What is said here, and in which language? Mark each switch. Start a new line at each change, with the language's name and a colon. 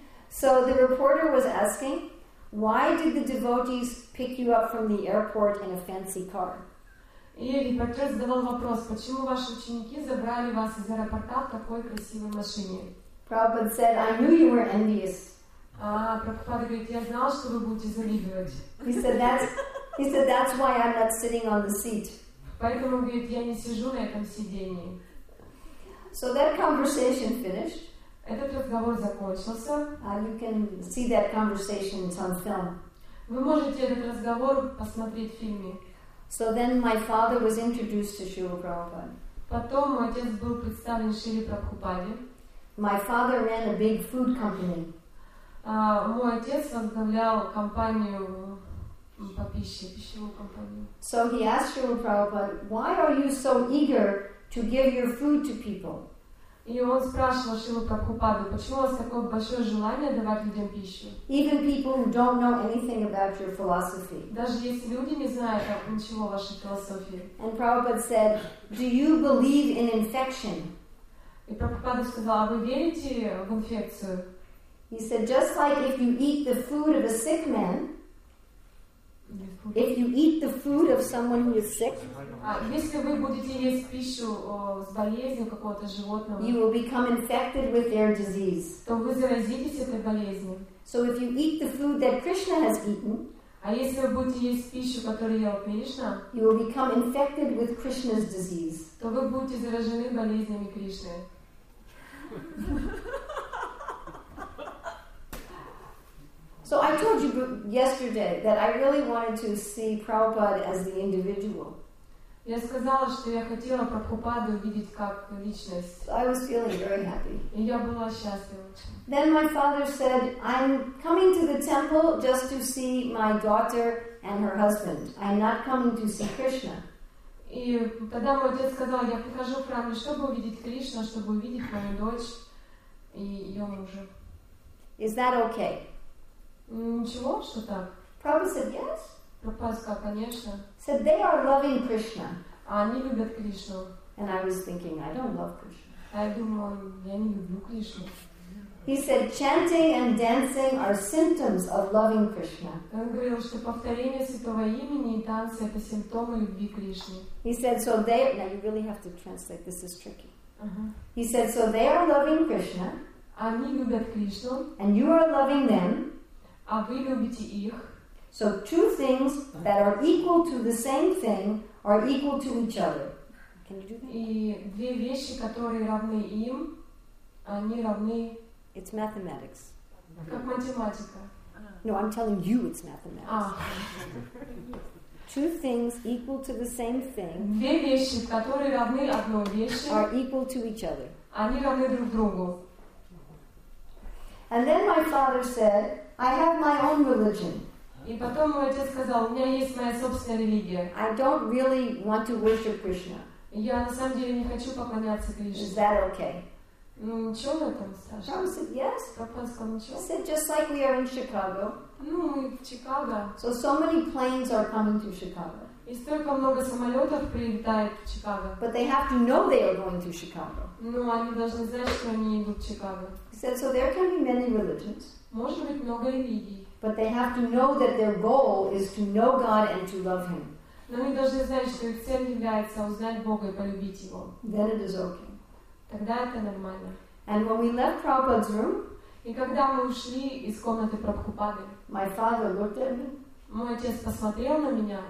English: So the reporter was asking, why did the devotees pick you up from the airport in a fancy car?
Russian: И репортер задавал вопрос, почему ваши ученики забрали вас из аэропорта в такой красивой машине?
English: Prabhupada said, I knew you were envious.
Russian: Prabhupada говорит, я знал, что вы будете завидовать.
English: He said that's why I'm not sitting on the seat.
Russian: Поэтому говорит, я не сижу на этом сиденье.
English: So that conversation finished.
Russian: Этот разговор закончился.
English: You can see that conversation in some film.
Russian: Вы можете этот разговор посмотреть в фильме.
English: So then my father was introduced to Srila Prabhupada.
Russian: Потом мой отец был представлен Шриле Прабхупаде.
English: My father ran a big food company.
Russian: Мой отец возглавлял компанию по пище, пищевую компанию.
English: So he asked Srila Prabhupada, why are you so eager to give your food to people?
Russian: И он спрашивал Шрилу Прабхупаду, почему у вас такое большое желание давать людям пищу?
English: Even people who don't know anything about your philosophy.
Russian: Даже если люди не знают ничего о вашей философии.
English: And Prabhupada said, do you believe in infection?
Russian: И Прабхупада сказал, а вы верите в инфекцию?
English: He said, just like if you eat the food of a sick man, if you eat the food of someone who is sick,
Russian: если вы будете есть пищу с болезнью какого-то животного,
English: you will become infected with their disease.
Russian: То вы заразитесь этой болезнью.
English: So if you eat the food that Krishna has eaten,
Russian: а если вы будете есть пищу, которую ел Кришна,
English: you will become infected with Krishna's disease.
Russian: То вы будете заражены болезнями Кришны.
English: So I told you yesterday that I really wanted to see Prabhupada as the individual.
Russian: Я сказала, что я хотела Прабхупаду видеть как личность.
English: I was feeling very happy.
Russian: И я была счастлива.
English: Then my father said, "I'm coming to the temple just to see my daughter and her husband. I'm not coming to see Krishna."
Russian: И тогда мой отец сказал, я прихожу в храм, чтобы увидеть Кришну, чтобы увидеть мою дочь и ее мужа.
English: Is that okay?
Russian: Ничего, что так?
English: Prabhupada said yes.
Russian: Prabhupada сказал, конечно.
English: Said they are loving Krishna.
Russian: Они любят Кришну.
English: And I was thinking, I don't love Krishna.
Russian: Я думала, я не люблю Кришну.
English: He said chanting and dancing are symptoms of loving Krishna.
Russian: Он говорил, что повторение святого имени и танцы это симптомы любви Кришны.
English: He said so they. Now you really have to translate. This is tricky. He said so they are loving Krishna.
Russian: Они любят Кришну.
English: And you are loving them.
Russian: А вы любите их.
English: So two things that are equal to the same thing are equal to each other. Can you do that?
Russian: И две вещи, которые равны им, они равны.
English: It's mathematics.
Russian: Как математика.
English: No, I'm telling you it's mathematics. Ah. Two things equal to the same thing.
Russian: Две вещи, которые равны одной вещи,
English: are equal to each other.
Russian: Они равны друг другу.
English: And then my father said, I have my own religion.
Russian: И потом мой отец сказал, у меня есть моя собственная религия.
English: I don't really want to worship Krishna.
Russian: Я на самом деле не хочу поклоняться Кришне.
English: Is that okay?
Russian: Ну, ничего в этом страшного.
English: Prabhupada said, yes.
Russian: Prabhupada сказал, ничего.
English: He said, just like we are in Chicago.
Russian: Ну, мы в Чикаго.
English: So many planes are coming to Chicago.
Russian: И столько много самолетов прилетает в Чикаго.
English: But they have to know they are going to Chicago.
Russian: Ну, они должны знать, что они идут в Чикаго.
English: He said, so there can be many religions.
Russian: Может быть много религий.
English: But they have to know that their goal is to know God and to love Him.
Russian: Но они должны знать, что их цель является узнать Бога и полюбить Его.
English: Then it is okay.
Russian: Тогда это нормально.
English: And when we left Prabhupada's room,
Russian: и когда мы ушли из комнаты Прабхупады,
English: my father looked at me.
Russian: Мой отец посмотрел на меня.